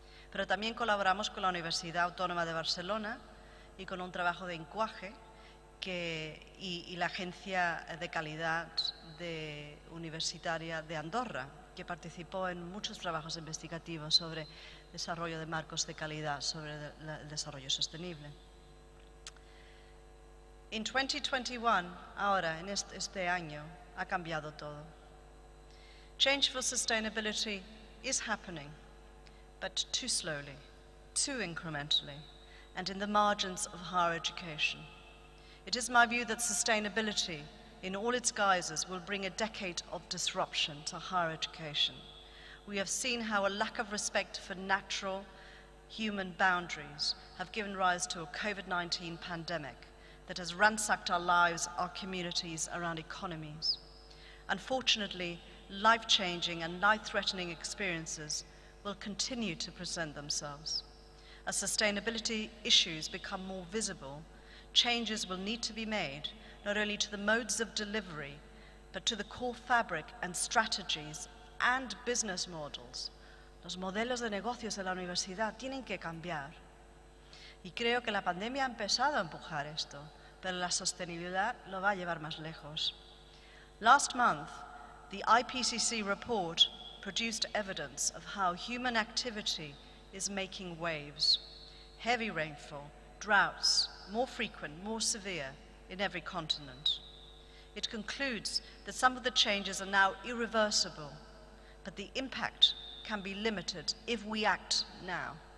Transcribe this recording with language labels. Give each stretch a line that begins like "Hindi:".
Spanish: Pero también colaboramos con la Universidad Autónoma de Barcelona y con un trabajo de Incuaje y la Agencia de Calidad Universitaria de Andorra, que participó en muchos trabajos investigativos sobre desarrollo de marcos de calidad, sobre el desarrollo sostenible. En 2021, ahora, en este año, ha cambiado todo.
English: Change for sustainability is happening, but too slowly, too incrementally, and in the margins of higher education. It is my view that sustainability, in all its guises, will bring a decade of disruption to higher education. We have seen how a lack of respect for natural human boundaries have given rise to a COVID-19 pandemic that has ransacked our lives, our communities, around economies. Unfortunately, life-changing and life-threatening experiences will continue to present themselves. As sustainability issues become more visible, changes will need to be made, not only to the modes of delivery, but to the core fabric and strategies and business models.
Spanish: Los modelos de negocios de la universidad tienen que cambiar. Y creo que la pandemia ha empezado a empujar esto, pero la sostenibilidad lo va a llevar más lejos.
English: Last month, the IPCC report produced evidence of how human activity is making waves. Heavy rainfall, droughts, more frequent, more severe in every continent. It concludes that some of the changes are now irreversible, but the impact can be limited if we act now.